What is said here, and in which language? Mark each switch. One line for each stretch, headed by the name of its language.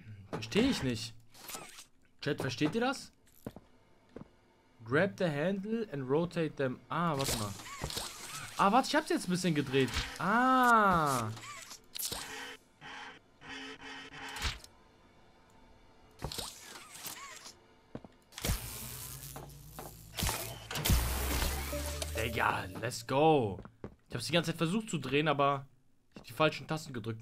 German: Verstehe ich nicht. Chat, versteht ihr das?
English: Grab the handle and rotate them.
German: Ah, warte mal. Ah, warte, ich hab's jetzt ein bisschen gedreht. Ah. Digga,
English: let's go.
German: Ich hab's die ganze Zeit versucht zu drehen, aber ich hab die falschen Tasten gedrückt.